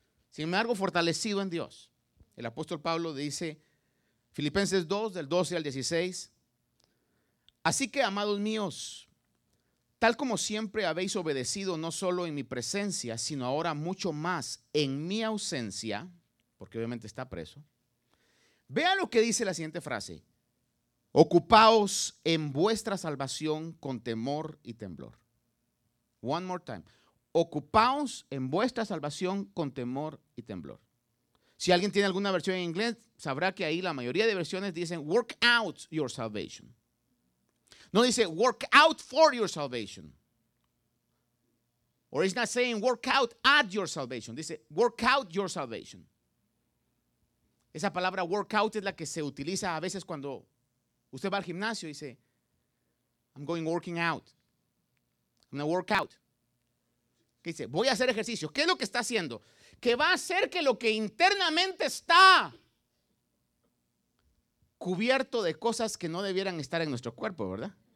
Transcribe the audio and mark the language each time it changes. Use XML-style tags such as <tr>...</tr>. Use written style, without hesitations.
<es>Sin embargo, fortalecido en Dios, el apóstol Pablo dice, Filipenses 2, del 12 al 16, así que, amados míos, tal como siempre habéis obedecido no solo en mi presencia, sino ahora mucho más en mi ausencia, porque obviamente está preso, vea lo que dice la siguiente frase, ocupaos en vuestra salvación con temor y temblor.</es> <en>One more time.</en> <es>Ocupaos en vuestra salvación con temor y temblor. Si alguien tiene alguna versión en inglés, sabrá que ahí la mayoría de versiones dicen</es> <en>work out your salvation.</en> <es>No dice</es> <en>work out for your salvation. Or it's not saying work out at your salvation.</en> <es>Dice</es> <en>work out your salvation.</en> <es>Esa palabra work out es la que se utiliza a veces cuando usted va al gimnasio y dice</es> <en>I'm going working out. I'm going to work out.</en> <es>¿Qué dice? Voy a hacer ejercicio. ¿Qué es lo que está haciendo? Que va a hacer que lo que internamente está cubierto de cosas que no debieran estar en nuestro cuerpo, ¿verdad?</es>